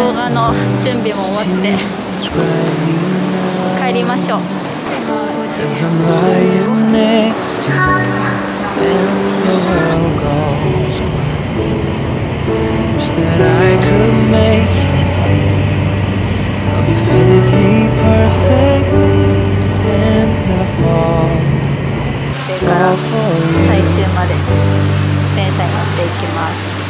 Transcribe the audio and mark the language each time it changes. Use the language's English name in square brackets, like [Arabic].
[Japanese] の準備も終わって帰りましょう。 [English] As I'm lying next to you, the world goes quiet. Wish that I could make you see how you fit me perfectly in the fall. Fall for you. [Japanese] 最終まで電車に乗っていきます。